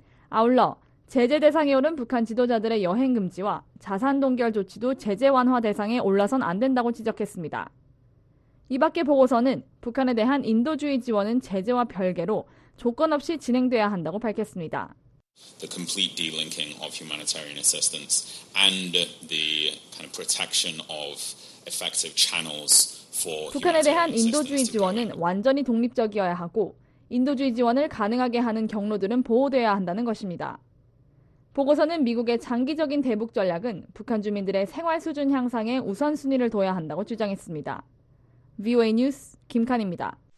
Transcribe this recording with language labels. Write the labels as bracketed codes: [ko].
[ko] 아울러 제재 대상에 오른 북한 지도자들의 여행 금지와 자산 동결 조치도 제재 완화 대상에 올라선 안 된다고 지적했습니다. 이 밖에 보고서는 북한에 대한 인도주의 지원은 제재와 별개로 조건 없이 진행돼야 한다고 밝혔습니다. [en] The complete delinking of humanitarian assistance and the kind of protection of effective channels for [ko] 북한에 대한 인도주의 지원은 완전히 독립적이어야 하고 인도주의 지원을 가능하게 하는 경로들은 보호되어야 한다는 것입니다. 보고서는 미국의 장기적인 대북 전략은 북한 주민들의 생활 수준 향상에 우선순위를 둬야 한다고 주장했습니다. VOA 뉴스 김칸입니다.